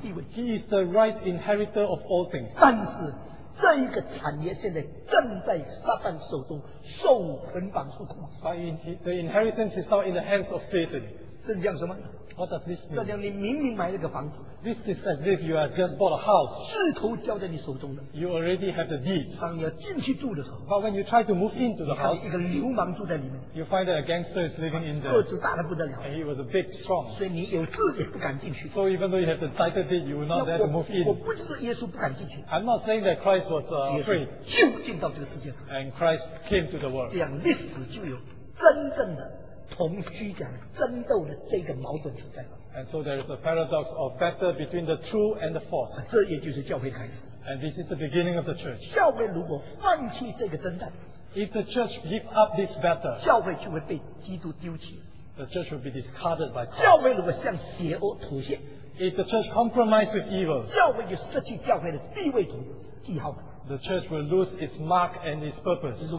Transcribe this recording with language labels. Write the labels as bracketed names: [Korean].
[English] He is the right inheritor of all things. [Chinese] 这一个产业现在正在撒旦手中受捆绑受控制。 [English] The inheritance is now in the hands of Satan. [Chinese] 这像什么? [English] What does this mean? [Chinese] 这像你明明买了个房子, [English] this is as if you have just bought a house. [Chinese] 势头交在你手中的, [English] you already have the deeds. [Chinese] 当你要进去住的时候, [English] but when you try to move into the house, [Chinese] 一个流氓住在里面, [English] you find that a gangster is living in there. [Chinese] 个子大得不得了, [English] and he was a big, strong. [Chinese] 所以你有字也不敢进去, [English] so even though you have the title deed, you will not dare to move in. [Chinese] 我不是说耶稣不敢进去, [English] I'm not saying that Christ was afraid. And Christ came to the world. [Chinese] 这样历史就有真正的 同虚假争斗的这个矛盾存在, [English] and so there is a paradox of battle between the true and the false. [Chinese] 这也就是教会开始, [English] and this is the beginning of the church. [Chinese] 教会如果放弃这个争战, [English] if the church give up this battle, [Chinese] 教会就会被基督丢弃, [English] the church will be discarded by Christ. [Chinese] 教会如果向邪恶妥协, [English] if the church compromise with evil, [Chinese] 教会就失去教会的地位和记号, [English] the church will lose its mark and its purpose.